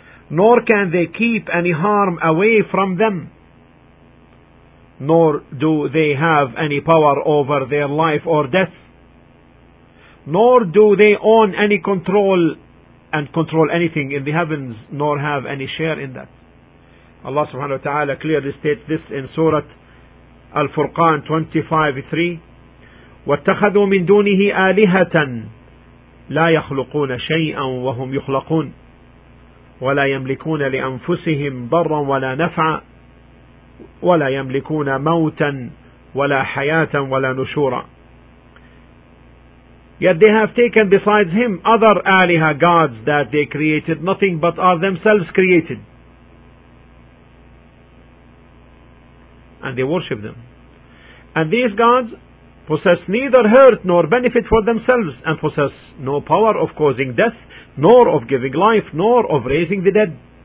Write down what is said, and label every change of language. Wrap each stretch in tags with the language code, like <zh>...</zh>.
<en>nor can they keep any harm away from them, nor do they have any power over their life or death, nor do they own any control and control anything in the heavens, nor have any share in that. Allah subhanahu wa ta'ala clearly states this in Surah Al-Furqan 25:3,</en> <ar>وَاتَّخَذُوا مِن دُونِهِ آلِهَةً لَا يَخْلُقُونَ شَيْئًا وَهُمْ يُخْلَقُونَ وَلَا يَمْلِكُونَ لِأَنفُسِهِمْ ضَرًّا وَلَا نَفْعًا وَلَا يَمْلِكُونَ مَوْتًا وَلَا حَيَاةً وَلَا نُشُورًا.</ar> <en>Yet they have taken besides him other aliha gods that they created nothing but are themselves created, and they worship them. And these gods possess neither hurt nor benefit for themselves, and possess no power of causing death, nor of giving life, nor of raising the dead.</en>